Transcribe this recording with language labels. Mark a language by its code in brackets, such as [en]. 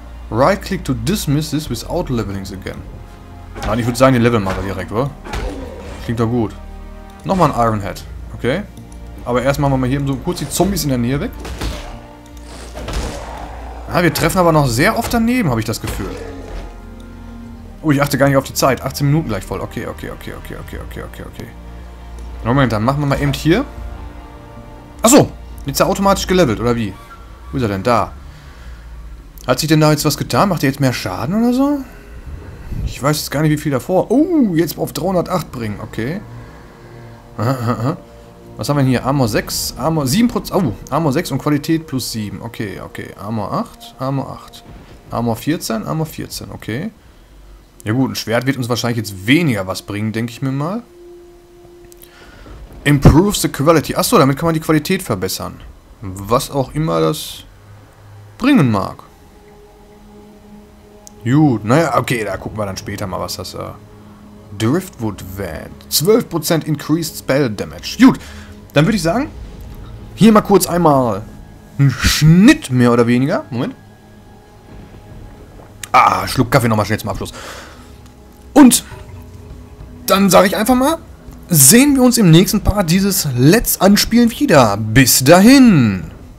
[en] Right click to dismiss this without leveling the Gem. [de] Nein, ich würde sagen, den Level machen wir direkt, oder? Klingt doch gut. Nochmal ein Iron Head, okay? Aber erstmal machen wir hier so kurz die Zombies in der Nähe weg. Ah, wir treffen aber noch sehr oft daneben, habe ich das Gefühl. Oh, ich achte gar nicht auf die Zeit. 18 Minuten gleich voll. Okay, okay, okay, okay, okay, okay, okay, okay. Moment, dann machen wir mal eben hier. Achso, jetzt ist er automatisch gelevelt, oder wie? Wo ist er denn? Da. Hat sich denn da jetzt was getan? Macht er jetzt mehr Schaden oder so? Ich weiß jetzt gar nicht, wie viel davor. Jetzt auf 308 bringen. Okay. Was haben wir hier? Armor 6, Armor 7%. Armor 6 und Qualität plus 7. Okay. Armor 8, Armor 8. Armor 14, Armor 14. Okay. Ja gut, ein Schwert wird uns wahrscheinlich jetzt weniger was bringen, denke ich mir mal. [en] Improves the quality. [de] Achso, damit kann man die Qualität verbessern. Was auch immer das bringen mag. Gut, naja, okay, da gucken wir dann später mal, was das Driftwood Vent. [en] 12% increased spell damage. [de] Gut, dann würde ich sagen, hier mal kurz einmal ein Schnitt mehr oder weniger. Moment. Schluck Kaffee nochmal schnell zum Abschluss. Und dann sage ich einfach mal, sehen wir uns im nächsten Part dieses Let's Anspielen wieder. Bis dahin.